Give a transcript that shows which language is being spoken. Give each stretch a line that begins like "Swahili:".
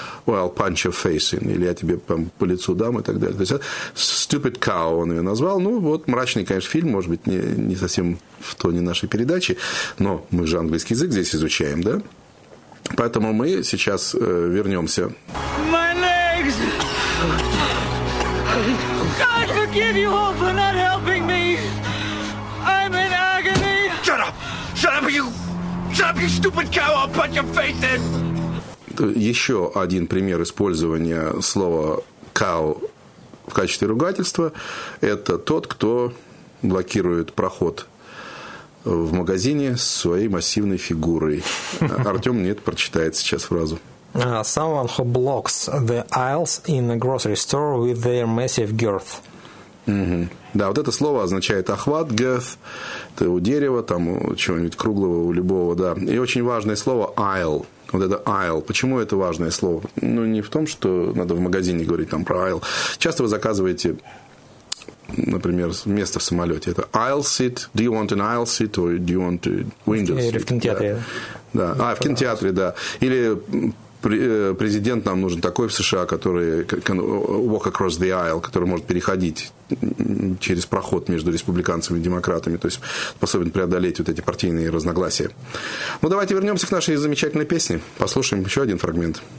English: «Well, I'll punch your face in»,
Russian: или «я тебе по лицу дам» и так далее. То есть
English: «Stupid cow»
Russian: он ее назвал. Ну, вот мрачный, конечно, фильм, может быть, не совсем в тоне нашей передачи, но мы же английский язык здесь изучаем, да? Поэтому мы сейчас вернемся.
English: My legs! God forgive you all for not helping me! I'm in agony! Shut up, you stupid cow! I'll punch your face in!
Russian: Еще один пример использования слова «cow» в качестве ругательства – это тот, кто блокирует проход в магазине своей массивной фигурой. Артем мне это прочитает сейчас фразу.
English: Someone who blocks the aisles in a grocery store with their massive girth.
Russian: Угу. Да, вот это слово означает охват, girth, это у дерева, там у чего-нибудь круглого, у любого, да. И очень важное слово «aisle». Вот это aisle. Почему это важное слово? Ну, не в том, что надо в магазине говорить там про aisle. Часто вы заказываете, например, место в самолете. Это aisle seat.
English: Do you want an aisle seat or do you want a window seat?
Russian: Или в кинотеатре. Да. Да. В кинотеатре, да. Или президент нам нужен такой в США, который
English: can walk across the aisle,
Russian: который может переходить через проход между республиканцами и демократами, то есть способен преодолеть вот эти партийные разногласия. Ну, давайте вернемся к нашей замечательной песне. Послушаем еще один фрагмент.